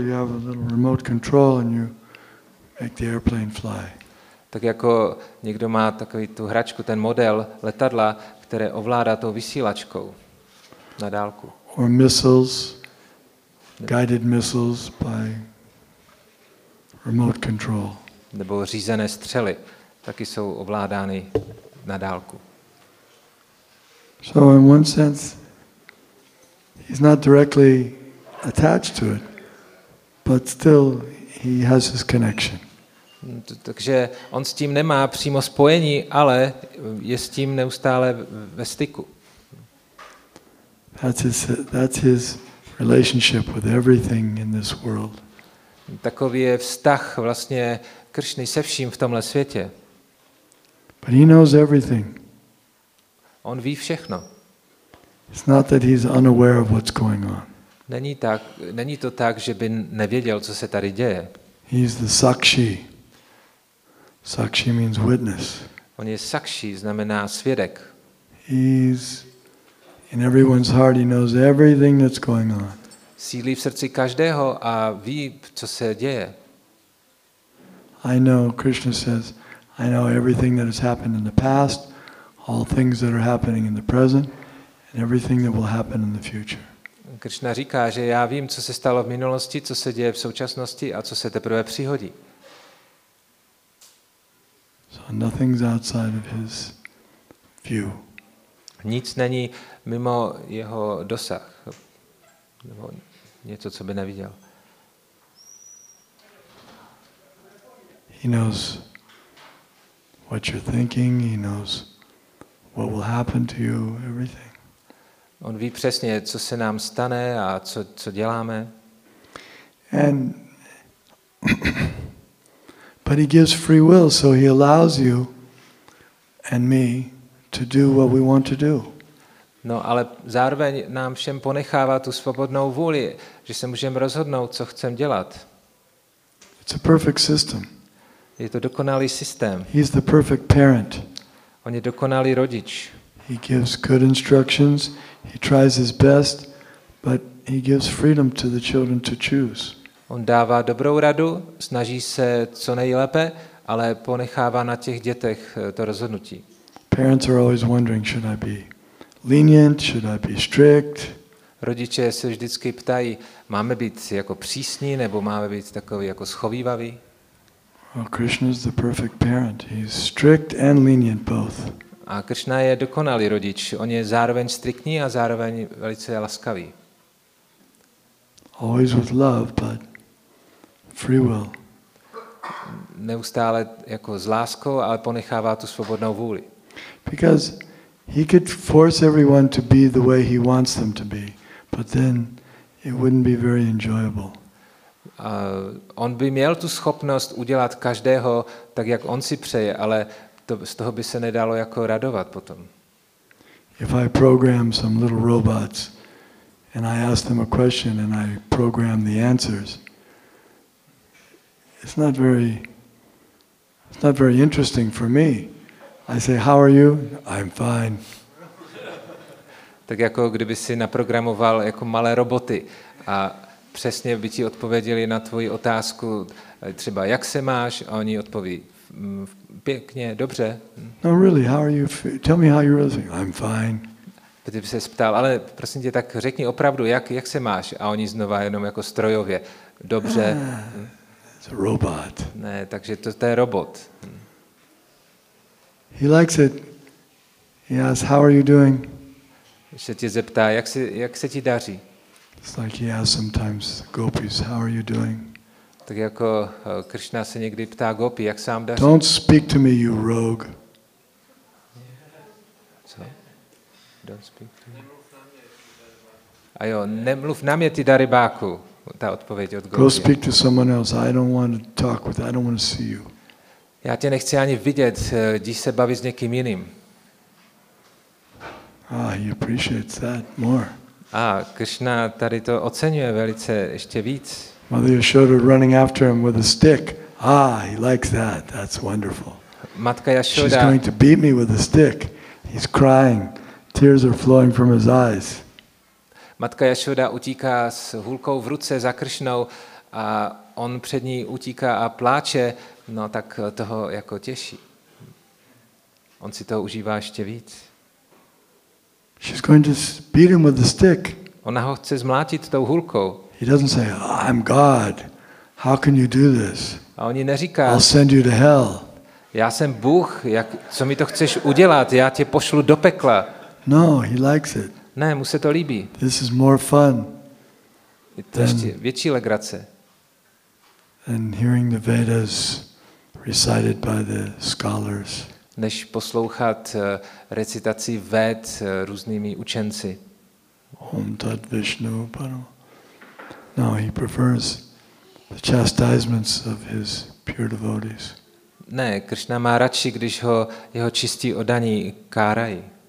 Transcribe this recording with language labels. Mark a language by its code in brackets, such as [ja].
[en] You have a little remote control and you make the airplane fly. [cs] Tak jako někdo má takový tu hračku, ten model letadla, které ovládá tou vysílačkou na dálku. [en] Or missiles, guided missiles by remote control. [cs] Nebo řízené střely, taky jsou ovládány na dálku. [en] So in one sense, he's not directly attached to it, but still he has his connection. [cs] Takže on s tím nemá přímo spojení, ale je s tím neustále ve styku. [en] That's his relationship with everything in this world. [cs] Takový je vztah vlastně Kršny se vším v tomhle světě. [en] But he knows everything. [cs] On ví všechno. [en] It's not that he's unaware of what's going on. [cs] Není to tak, že by nevěděl, co se tady děje. [en] He's the sakshi. Sakshi means witness. [cs] On je sakshi, znamená svědek. [en] He's in everyone's heart, he knows everything that's going on. [cs] Sídlí v srdci každého a ví, co se děje. [en] I know, Krishna says, I know everything that has happened in the past, all things that are happening in the present, and everything that will happen in the future. [cs] Krishna říká, že já vím, co se stalo v minulosti, co se děje v současnosti a co se teprve přihodí. [en] So nothing's outside of his view. [cs] Nic není mimo jeho dosah. Nebo něco, co by neviděl. [en] He knows what you're thinking, he knows what will happen to you, everything. [cs] On ví přesně, co se nám stane a co děláme. [en] And but he gives free will, so he allows you and me to do what we want to do. [cs] No, ale zároveň nám všem ponechává tu svobodnou vůli, že se můžeme rozhodnout, co chceme dělat. [en] It's a perfect system. [cs] Je to dokonalý systém. [en] He's the perfect parent. [cs] On je dokonalý rodič. [en] He gives good instructions, he tries his best, but he gives freedom to the children to choose. [cs] On dává dobrou radu, snaží se co nejlépe, ale ponechává na těch dětech to rozhodnutí. [en] Parents are always wondering, should I be lenient, should I be strict? [cs] Rodiče se vždycky ptají, máme být jako přísní nebo máme být takový jako schovývavý? [en] Well, Krishna is the perfect parent. He's strict and lenient both. [cs] A Krishna je dokonalý rodič. On je zároveň striktní a zároveň velice laskavý. [en] Always with love, but free will. [cs] Neustále jako s láskou, ale ponechává tu svobodnou vůli. [en] Because he could force everyone to be the way he wants them to be, but then it wouldn't be very enjoyable. [cs] On by měl tu schopnost udělat každého tak, jak on si přeje, ale to, z toho by se nedalo jako radovat potom. [en] If I program some little robots and I ask them a question and I program the answers, it's not very interesting for me. I say, how are you? I'm fine. [cs] Tak jako kdyby si naprogramoval jako malé roboty a přesně by ti odpověděli na tvoji otázku, třeba jak se máš, a oni odpoví pěkně, dobře. [en] No really, how are you? Tell me how you really feel. I'm fine. [cs] Kdyby se ptal, ale prosím tě, tak řekni opravdu, jak se máš, a oni znova jenom jako strojově, dobře. [en] It's a robot. [cs] Ne, takže to je robot. [en] He likes it. He asks, "How are you doing?" [cs] Se tě zeptá, jak se ti daří. [en] It's like he asks sometimes gopis, "How are you doing?" [cs] Tak jako Krishna se někdy ptá gopi, jak se vám daří. [en] Don't speak to me, you rogue. [cs] Co? [en] Don't speak to me. [cs] A jo, nemluv na mě, ty darybáku. Ta odpověď od gopi. [en] Go speak to someone else. I don't want to talk with. I don't want to see you. [cs] Já tě nechci ani vidět, jdi se bavit s někým jiným. [en] Ah, he appreciates that more. [cs] Ah, Krishna tady to oceňuje velice ještě víc. [en] Mother Yashoda running after him with a stick. Ah, he likes that. That's wonderful. [cs] Matka Yashoda. [en] She's going to beat me with a stick. He's crying. Tears are flowing from his eyes. [cs] Matka Yashoda utíká s hůlkou v ruce za Krishnou a on před ní utíká a pláče. No tak toho jako těší. On si toho užívá ještě víc. [en] She's going to beat him with a stick. [cs] Ona ho chce zmlátit tou hůlkou. [en] He doesn't say, oh, "I'm God. How can you do this?" [cs] A oni neříká. [en] I'll send you to hell. [cs] Já jsem Bůh. Jak, co mi to chceš udělat? Já tě pošlu do pekla. [en] No, he likes it. [cs] Ne, mu se to líbí. [en] This is more fun. [cs] Je to ještě větší legrace. [en] And hearing the Vedas recited by the scholars. [cs] Než poslouchat recitaci Ved různými učenci. [sa] Om Tat Vishnu Paro. [en] No, he prefers the chastisements of his pure devotees. [cs] Ne, Krishna má radši, když ho jeho čistí oddaní kárají.